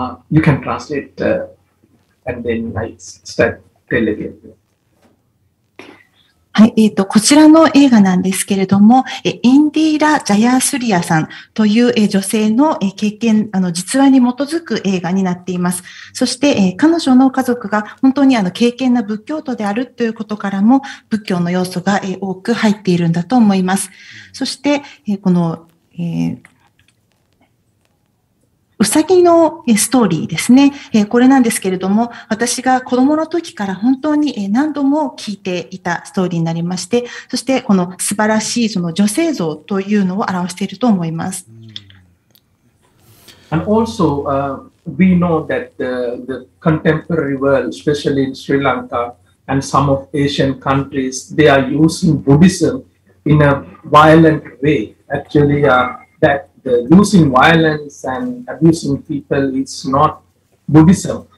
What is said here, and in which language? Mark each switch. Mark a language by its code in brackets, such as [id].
[en] You can translate and then I start telling it. [ja] はい、こちらの映画なんですけれども、インディーラ・ジャヤースリアさんという女性の経験、実話に基づく映画になっています。そして、彼女の家族が本当に敬虔な仏教徒であるということからも、仏教の要素が多く入っているんだと思います。そして、この、ウサギのストーリーですね。これなんですけれども、私が子供の時から本当に何度も聞いていたストーリーになりまして、そしてこの素晴らしいその女性像というのを表していると思います。 [en] And also, we know that the contemporary world, especially in Sri Lanka and some of Asian countries, they are using Buddhism in a violent way. Actually, that. Using violence and abusing people is not Buddhism.